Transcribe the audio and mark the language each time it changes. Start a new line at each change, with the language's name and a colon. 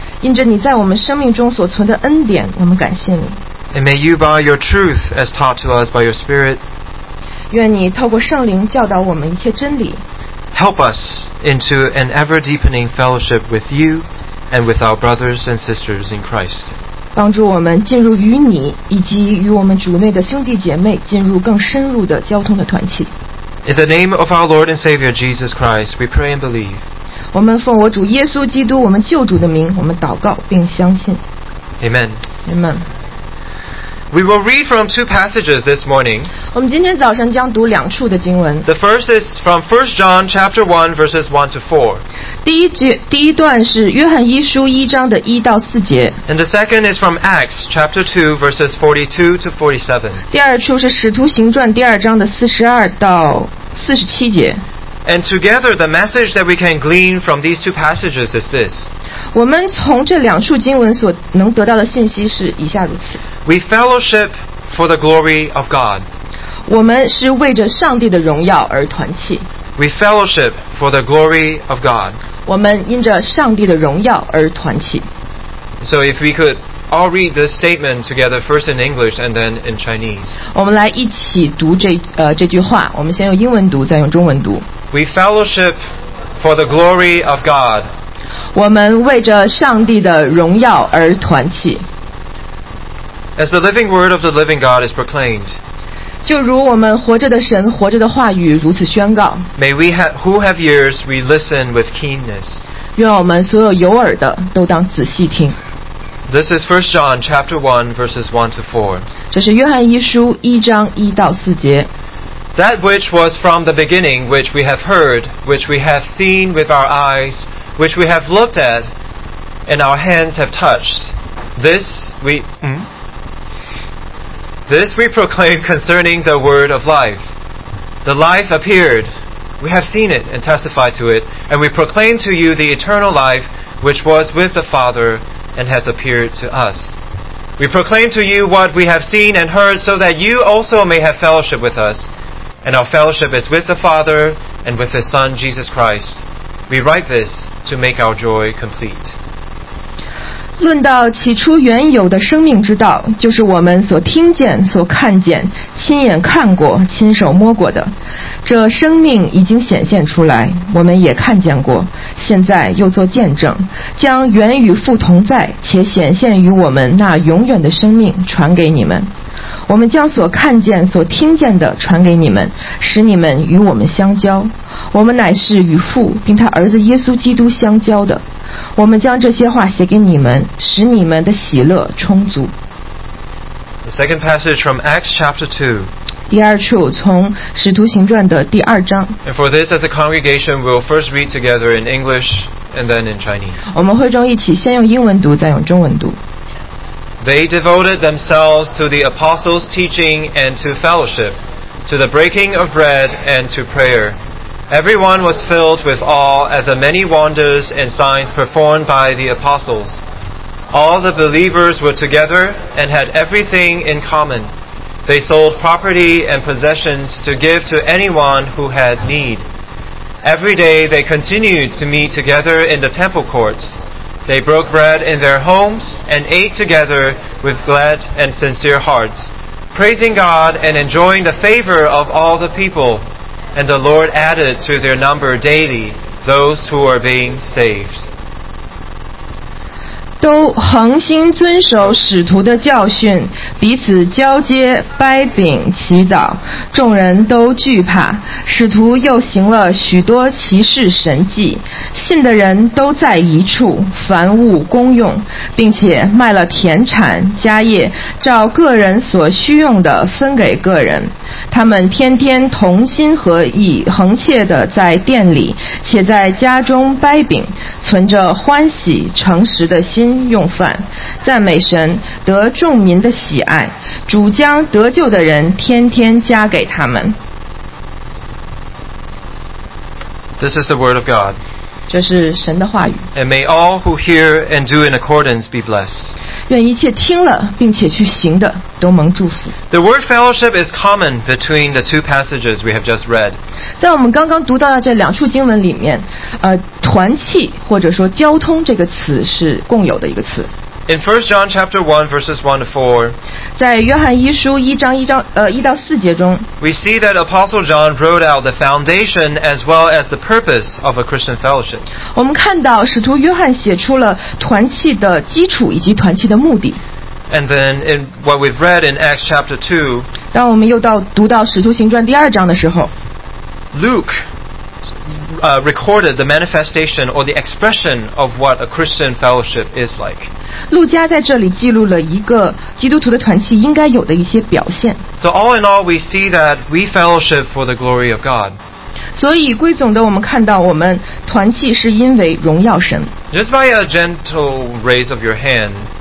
English: And may you by your truth as taught to us by your Spirit, help us into an ever-deepening fellowship with you and with our brothers and sisters in Christ.
Chinese: 帮助我们进入与你以及与我们主内的兄弟姐妹进入更深入的交通的团契。
English: In the name of our Lord and Savior Jesus Christ, we pray and believe.
Chinese: 我们奉我主耶稣基督我们救主的名，我们祷告并相信。
English: Amen. Amen. We will read from two passages this morning.
Chinese: 我们今天早上将读两处的经文。
English: The first is from 1 John chapter 1 verses 1 to 4.
Chinese: 第一段是约翰一书一章的一到四节。
English: And the second is from Acts chapter 2 verses 42 to 47.
Chinese: 第二处是使徒行传第二章的42到47节。
English: And together the message that we can glean from these two passages is this.
Chinese: 我们从这两处经文所能得到的信息是以下如此。
English: We fellowship for the glory of God.
Chinese: 我们是为着上帝的荣耀而团契。
English: We fellowship for the glory of God.
Chinese: 我们因着上帝的荣耀而团契。
English: So if we could all read this statement together first in English and then in Chinese.
Chinese: 我们来一起读这句话。我们先用英文读，再用中文读。
English: We fellowship for the glory of God.
Chinese: 我们为着上帝的荣耀而团契。
English: As the living word of the living God is proclaimed.
Chinese: 就如我们活着的神活着的话语如此宣告
English: May we who have ears we listen with keenness
Chinese: 愿我们所有有耳的都当仔细听
English: This is 1 John chapter 1 verses 1 to 4
Chinese: 这是约翰一书一章一到四节
English: That which was from the beginning which we have heard which we have seen with our eyes which we have looked at and our hands have touched This we proclaim concerning the word of life. The life appeared. We have seen it and testified to it. And we proclaim to you the eternal life which was with the Father and has appeared to us. We proclaim to you what we have seen and heard so that you also may have fellowship with us. And our fellowship is with the Father and with His Son, Jesus Christ. We write this to make our joy complete.
Chinese: 论到起初原有的生命之道，就是我们所听见、所看见、亲眼看过、亲手摸过的。这生命已经显现出来，我们也看见过，现在又做见证，将原与父同在且显现于我们那永远的生命传给你们。我们将所看见、所听见的传给你们，使你们与我们相交。我们乃是与父并他儿子耶稣基督相交的。我们将这些话写给你们，使你们的喜乐充足。
English: The second passage from Acts chapter 2.
Chinese: 第二处从使徒行传的第二章。
English: And for this, as a congregation, we'll first read together in English and then in Chinese.
Chinese: 我们会众一起先用英文读，再用中文读。
English: They devoted themselves to the apostles' teaching and to fellowship, to the breaking of bread and to prayer. Everyone was filled with awe at the many wonders and signs performed by the apostles. All the believers were together and had everything in common. They sold property and possessions to give to anyone who had need. Every day they continued to meet together in the temple courts. They broke bread in their homes and ate together with glad and sincere hearts, praising God and enjoying the favor of all the people. And the Lord added to their number daily those who are being saved.
Chinese: 都恒心遵守使徒的教训，彼此交接、掰饼、祈祷，众人都惧怕。使徒又行了许多奇事神迹，信的人都在一处，凡物公用，并且卖了田产、家业，照个人所需用的分给个人。他们天天同心合意，恒切地在殿里，且在家中掰饼，存着欢喜、诚实的心。用饭赞美神，得众民的喜爱，主将得救的人天天加给他们。
English: This is the word of God.
Chinese: 这是神的话语。
English: And may all who hear and do in accordance be blessed.
Chinese: 愿一切听了并且去行的都蒙祝福。
English: The word fellowship is common between the two passages we have just read.
Chinese: 在我们刚刚读到的这两处经文里面，团契或者说交通这个词是共有的一个词。
English: In 1 John chapter 1 verses 1 to 4,
Chinese: 在约翰一书一章一章一到四节中，
English: we see that Apostle John wrote out the foundation as well as the purpose of a Christian fellowship.
Chinese: 我们看到使徒约翰写出了团契的基础以及团契的目的。
English: And then in what we've read in Acts chapter 2,
Chinese: 当我们又到读到使徒行传第二章的时候，
English: Luke recorded the manifestation or the expression of what a Christian fellowship is like.
Chinese: 路加在这里记录了一个基督徒的团契应该有的一些表现。
English: So all in all, we see that we fellowship for the glory of God.
Chinese: 所以归总的我们看到我们团契是因为荣耀神。
English: Just by a gentle raise of your hand.